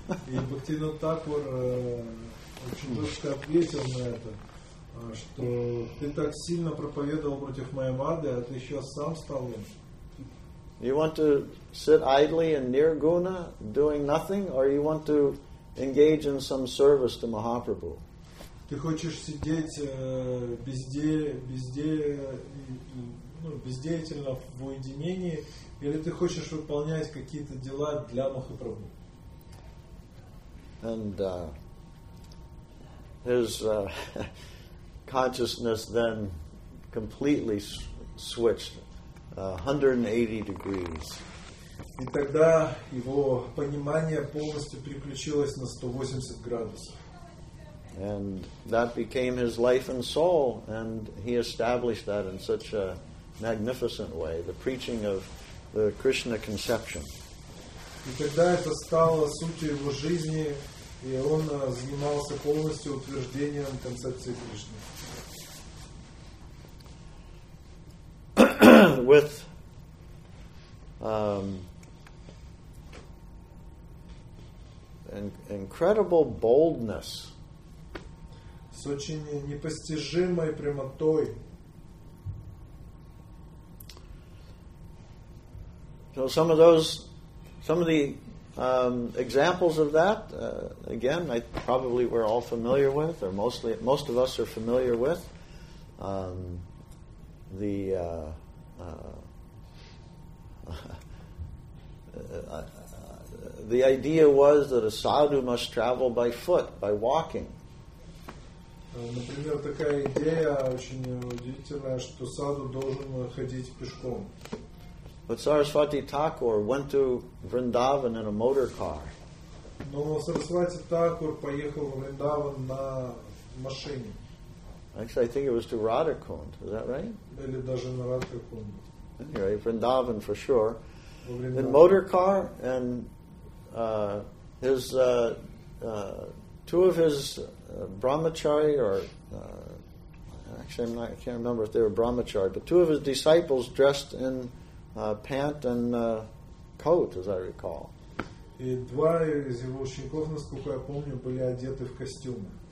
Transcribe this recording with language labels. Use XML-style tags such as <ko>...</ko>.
<ru>И Бхактивинода Такур очень жестко ответил на это, что ты так сильно проповедовал против Майявады, а ты сейчас сам стал им.</ru> <en>You want to sit idly in Nirguna doing nothing, or you want to engage in some service to Mahaprabhu?</en> <ru>Ты хочешь сидеть бездеятельно в уединении, или ты хочешь выполнять какие-то дела для Махапрабху?</ru> <en>And his consciousness then completely switched 180 degrees.</en> <ru>И тогда его понимание полностью переключилось на 180 градусов.</ru> <en>And that became his life and soul, and he established that in such a magnificent way, the preaching of the Krishna conception.</en> <ru>И тогда это стало сутью его жизни. И он занимался полностью утверждением концепции Кришны.</ru> <en>With incredible boldness.</en> <ru>С очень непостижимой прямотой.</ru> <en>So some of the examples of that, again, I probably we're all familiar with, or mostly most of us are familiar with, the idea was that a sadhu must travel by foot, by walking.</en> <ru>Например, такая идея очень удивительная, что саду должен ходить пешком.</ru> <en>But Sarasvati Thakur went to Vrindavan in a motor car.</en> <ru>Но Сарасвати Такур поехал в Вриндаван на машине.</ru> <en>Actually, I think it was to Radhakund. Is that right?</en> <ru>Или даже на Радхакунд.</ru> <en>Anyway, Vrindavan for sure. In motor car, and two of his brahmachari, I can't remember if they were brahmachari, but two of his disciples dressed in pant and coat, as I recall.</en> <ru>И два из его учеников, насколько я помню, были одеты в костюмы.</ru>